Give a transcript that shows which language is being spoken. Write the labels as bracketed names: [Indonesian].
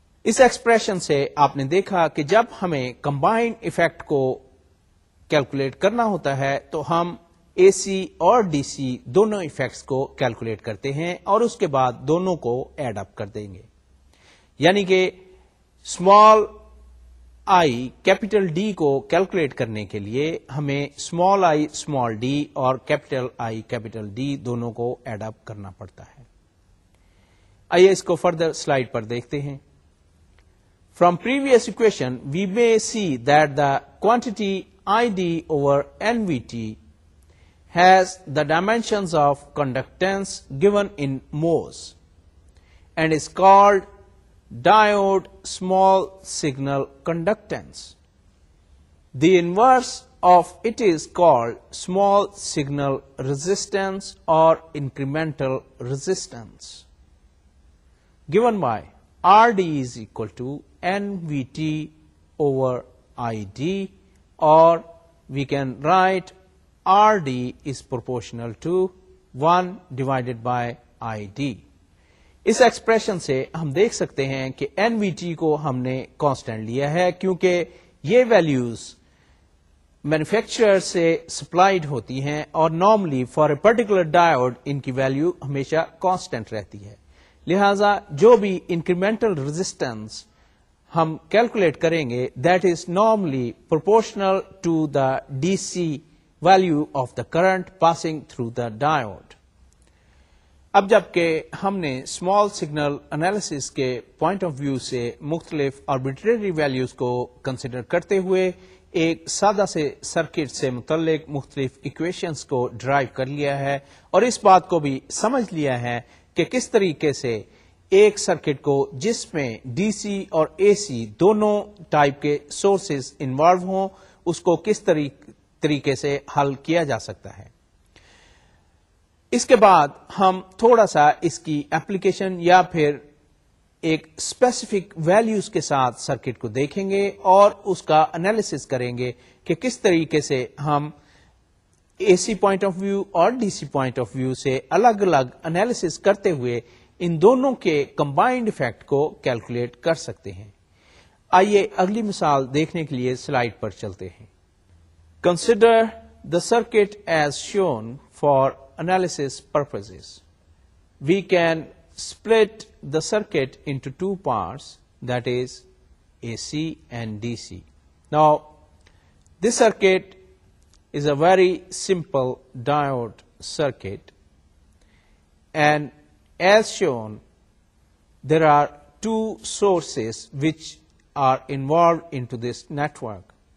[Urdu] اس expression سے آپ نے دیکھا کہ جب ہمیں کمبائنڈ افیکٹ کو کیلکولیٹ کرنا ہوتا ہے تو ہم اے سی اور ڈی سی دونوں افیکٹس کو کیلکولیٹ کرتے ہیں اور اس کے بعد دونوں کو ایڈ اپ کر دیں گے, یعنی کہ اسمال آئی کیپیٹل ڈی کو کیلکولیٹ کرنے کے لیے ہمیں اسمال آئی اسمال ڈی اور کیپیٹل آئی کیپیٹل ڈی دونوں کو ایڈ اپ کرنا پڑتا ہے. آئیے اس کو فردر سلائیڈ پر دیکھتے ہیں. [English] From previous equation, we may see that the quantity ID over NVT has the dimensions of conductance given in mos and is called diode small signal conductance. The inverse of it is called small signal resistance or incremental resistance. Given by RD is equal to NVT over ID, or we can write RD is proportional to 1 divided by ID. [Urdu] اس expression سے ہم دیکھ سکتے ہیں کہ NVT کو ہم نے constant لیا ہے کیونکہ یہ ویلیوز مینوفیکچرر سے سپلائیڈ ہوتی ہیں اور [English] normally for a particular diode [Urdu] ان کی ویلیو ہمیشہ کانسٹنٹ رہتی ہے. لہذا جو بھی انکریمنٹل ریزسٹنس ہم کیلکولیٹ کریں گے [English] That is normally proportional to the D C value of the current passing through the diode. [Urdu] اب جبکہ ہم نے اسمال سگنل انالیسس کے پوائنٹ آف ویو سے مختلف آربیٹری ویلیوز کو کنسیڈر کرتے ہوئے ایک سادہ سے سرکٹ سے متعلق مختلف اکویشنز کو ڈرائیو کر لیا ہے اور اس بات کو بھی سمجھ لیا ہے کہ کس طریقے سے ایک سرکٹ کو جس میں ڈی سی اور اے سی دونوں ٹائپ کے سورسز انوالو ہوں اس کو کس طریقے سے حل کیا جا سکتا ہے. اس کے بعد ہم تھوڑا سا اس کی اپلیکیشن یا پھر ایک اسپیسیفک ویلیوز کے ساتھ سرکٹ کو دیکھیں گے اور اس کا انالیسس کریں گے کہ کس طریقے سے ہم اے سی پوائنٹ آف ویو اور D C point of view سے الگ الگ انالیسس کرتے ہوئے ان دونوں کے کمبائنڈ افیکٹ کو کیلکولیٹ کر سکتے ہیں. آئیے اگلی مثال دیکھنے کے لیے سلائیڈ پر چلتے ہیں. [English] Consider the circuit as shown for analysis purposes. We can split the circuit into two parts, that is A C and D C. Now this circuit is a very simple diode circuit, and as shown there are two sources which are involved into this network.